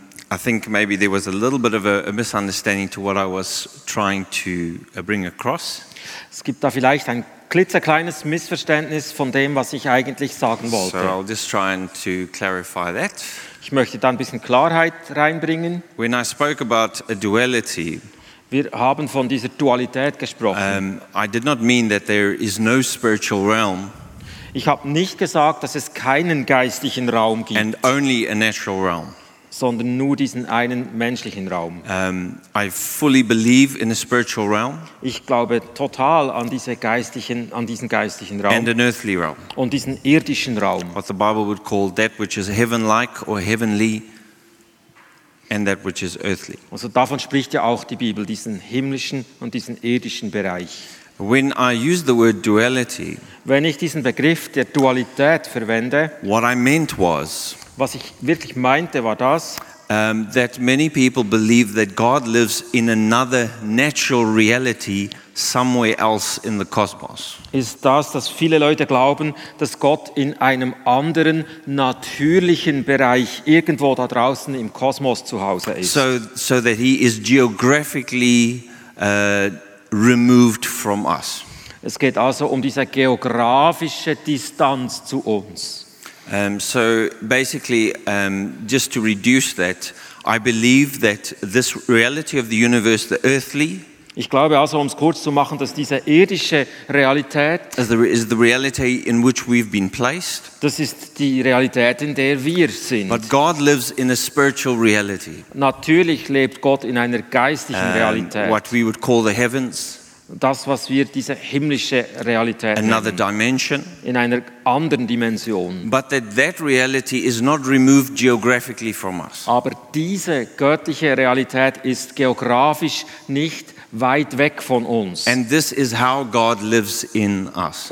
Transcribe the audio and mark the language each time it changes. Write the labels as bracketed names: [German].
[English] I think maybe there was a little bit of a misunderstanding to what I was trying to bring across. [German] Es gibt da vielleicht ein klitzekleines Missverständnis von dem, was ich eigentlich sagen wollte. [English] So I'll just try to clarify that. [German] Ich möchte da ein bisschen Klarheit reinbringen. [English] When I spoke about a duality, [German] wir haben von dieser Dualität gesprochen. [English] I did not mean that there is no spiritual realm. [German] Ich habe nicht gesagt, dass es keinen geistlichen Raum gibt. [English] And only a natural realm. [German] Sondern nur diesen einen menschlichen Raum. [English] I fully believe in a spiritual realm. [German] Ich glaube total an diese geistlichen, an diesen geistlichen Raum. [English] And an earthly realm. [German] Und diesen irdischen Raum. [English] What the Bible would call that which is heaven-like or heavenly, and that which is earthly. [German] Also davon spricht ja auch die Bibel, diesen himmlischen und diesen irdischen Bereich. [English] When I use the word duality, [German] wenn ich diesen Begriff der Dualität verwende, [English] what I meant was, [German] was ich wirklich meinte, war das, [English] that many people believe that God lives in another natural reality somewhere else in the cosmos. [German] Ist das, dass viele Leute glauben, dass Gott in einem anderen natürlichen Bereich irgendwo da draußen im Kosmos zu Hause ist. [English] So that he is geographically removed from us. [German] Es geht also um diese geografische Distanz zu uns. [English] So basically, just to reduce that, I believe that this reality of the universe, the earthly, [German] ich glaube also, um es kurz zu machen, dass diese irdische Realität [English] is the reality in which we've been placed. [German] Das ist die Realität, in der wir sind. [English] But God lives in a spiritual reality. [German] Natürlich lebt Gott in einer geistigen Realität. [English] What we would call the heavens. [German] Das, was wir diese himmlische Realität [English] another [German] nennen, [English] dimension, [German] in einer anderen Dimension. [English] But that reality is not removed geographically from us. [German] Aber diese göttliche Realität ist geografisch nicht weit weg von uns. [English] And this is how God lives in us.